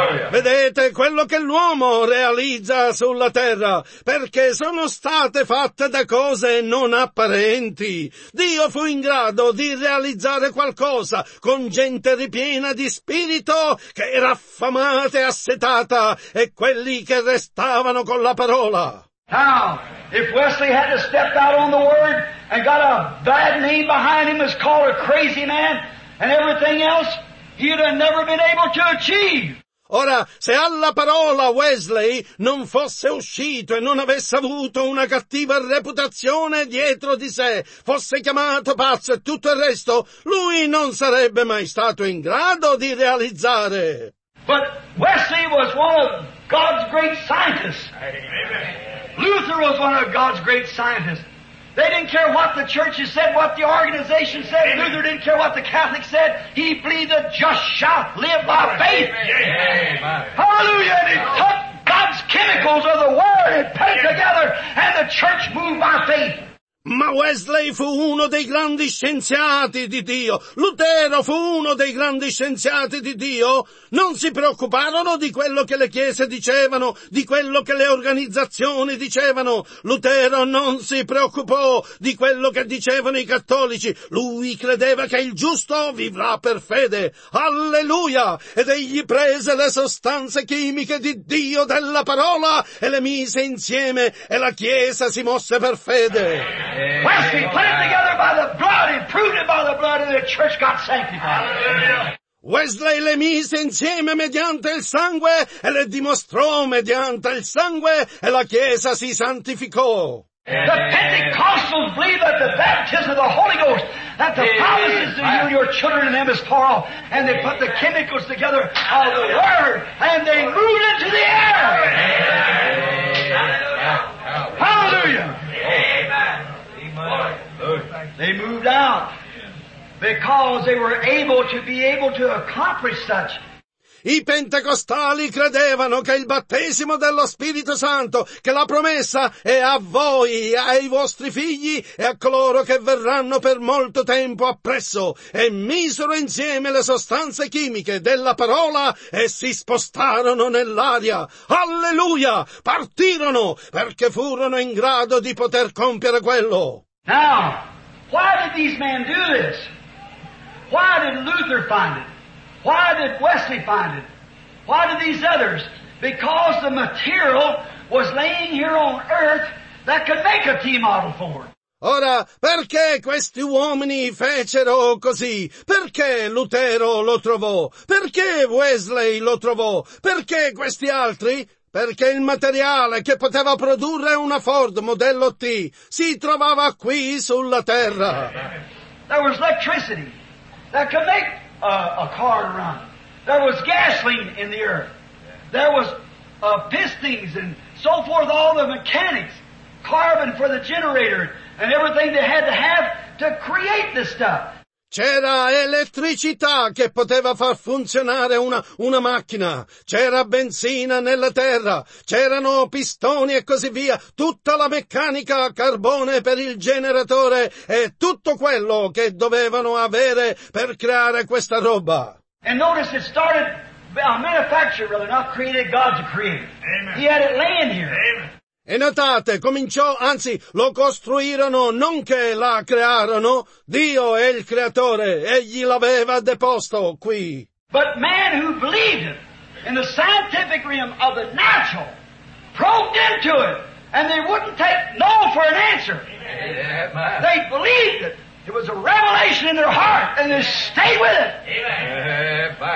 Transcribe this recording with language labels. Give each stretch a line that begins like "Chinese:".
Italian: Vedete quello che l'uomo realizza sulla terra, perché sono state fatte da cose non apparenti. Dio fu in grado di realizzare qualcosa con gente ripiena di spirito che era affamata e assetata, e quelli che restavano con la parola.
English: Now, If Wesley had to step out on the Word and got a bad name behind him as called a crazy man and everything else, he'd have never been able to achieve. Ora, se alla parola Wesley non fosse uscito e non avesse avuto una cattiva reputazione dietro di sé, fosse chiamato pazzo e tutto il resto, lui non sarebbe mai stato in grado di realizzare. But Wesley was one of God's great scientists. Luther was one of God's great scientists. They didn't care what the churches said, what the organization said. Amen. Luther didn't care what the Catholics said. He believed that just shall live by faith. Amen. Hallelujah. And he took God's chemicals of the Word and put it together, and the church moved by faith.
Italian: Ma Wesley fu uno dei grandi scienziati di Dio. Lutero fu uno dei grandi scienziati di Dio. Non si preoccuparono di quello che le chiese dicevano, di quello che le organizzazioni dicevano. Lutero non si preoccupò di quello che dicevano i cattolici. Lui credeva che il giusto vivrà per fede. Alleluia! Ed egli prese le sostanze chimiche di Dio della parola e le mise insieme e la chiesa si mosse per fede.
English: Wesley put it together by the blood, he proved it by the blood, and the church got sanctified.
Italian: Wesley le mise insieme mediante il sangue, e le dimostrò mediante il sangue, e la chiesa si santificò.
English: The Pentecostals believe that the baptism of the Holy Ghost, that the promises of you and your children and them is far off, and they put the chemicals together of the Word, and they moved into the air. They moved out because they were able to be able to accomplish such.
Italian: I pentecostali credevano che il battesimo dello Spirito Santo, che la promessa è a voi, ai vostri figli e a coloro che verranno per molto tempo appresso, e misero insieme le sostanze chimiche della parola e si spostarono nell'aria. Alleluia! Partirono perché furono in grado di poter compiere quello.
English: Now, why did these men do this? Why did Luther find it? Why did Wesley find it? Why did these others? Because the material was laying here on earth that could make a T-model for it.
Italian: Ora, perché questi uomini fecero così? Perché Lutero lo trovò? Perché Wesley lo trovò? Perché questi altri? Perché il materiale che poteva produrre una Ford modello T si trovava qui sulla terra.
English: There was electricity that could make a car run. There was gasoline in the earth. There was pistons and so forth, all the mechanics, carbon for the generator, and everything they had to have to create this stuff.
Italian: C'era elettricità che poteva far funzionare una macchina, c'era benzina nella terra, c'erano pistoni e così via, tutta la meccanica a carbone per il generatore e tutto quello che dovevano avere per creare questa roba.
English: And notice it started a manufacturer, really, not created, God's created. Amen. He had it laying here. Amen.
Italian: E notate, cominciò, anzi, lo costruirono, non che la crearono. Dio è il creatore, egli l'aveva deposto qui.
English: But man who believed in the scientific realm of the natural probed into it, and they wouldn't take no for an answer. Amen. They believed it. It was a revelation in their heart, and they stayed with it. Amen.